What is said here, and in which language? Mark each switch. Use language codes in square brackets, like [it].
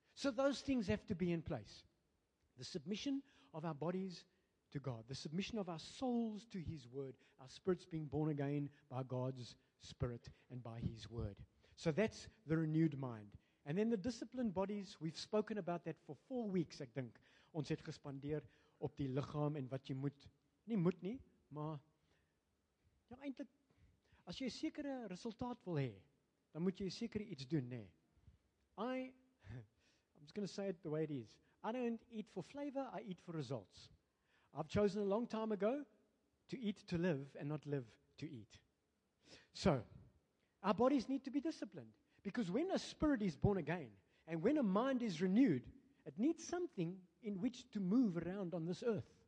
[en] So those things have to be in place. The submission of our bodies to God. The submission of our souls to his word. Our spirits being born again by God's spirit and by his word. So that's the renewed mind. And then the disciplined bodies, we've spoken about that for 4 weeks, [af] ek dink. Ons het gespandeer op die liggaam en wat jy moet. Nie moet nie, maar ja, eintlik, as jy 'n sekere resultaat wil hê, dan moet jy seker iets doen, nê. [en] I'm just going to say it the way it is. I don't eat for flavor, I eat for results. I've chosen a long time ago to eat to live and not live to eat. So, our bodies need to be disciplined. Because when a spirit is born again, and when a mind is renewed, it needs something in which to move around on this earth.